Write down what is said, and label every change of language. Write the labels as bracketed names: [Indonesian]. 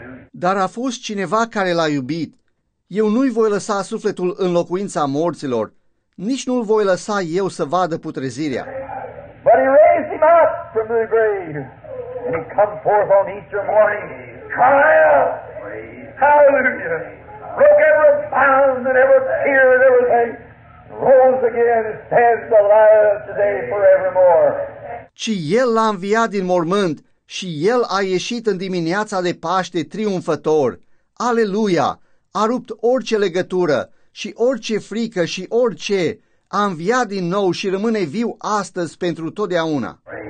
[Romanian] Dar a fost cineva care l-a iubit. Eu nu-i voi lăsa sufletul în locuința morților, nici nu-l voi lăsa eu să vadă putrezirea. [English] But he raised him up from the grave, and he come forth on Easter morning, crying out, hallelujah, broke every bound and every fear and everything, rose again and stands alive today forevermore. [Romanian] Ci el l-a înviat din mormânt, și el a ieșit în dimineața de Paște triumfător. Aleluia! A rupt orice legătură și orice frică și orice. A înviat din nou și rămâne viu astăzi pentru totdeauna.